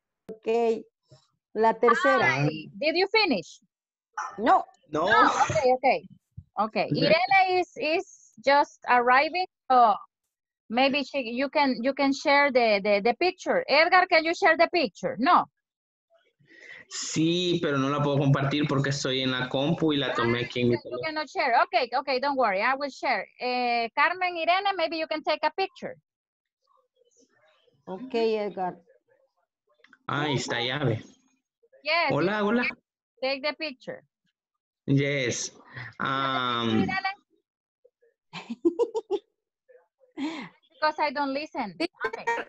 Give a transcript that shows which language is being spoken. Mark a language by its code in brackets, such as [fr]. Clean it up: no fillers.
[es] Okay, la tercera. [en] Hi. Did you finish? No. No. Okay. Okay, Irene is just arriving, so maybe you can share the picture. Edgar, can you share the picture? No. [es] Sí, pero no la puedo compartir porque estoy en la compu y la tomé aquí en mi [en] teléfono. You cannot share. Okay, don't worry. I will share. Carmen, Irene, maybe you can take a picture. Okay, Edgar. [es] Ahí está llave. [en] Yes. [es] Hola, hola. [en] Take the picture. Yes. Because I don't listen. Okay.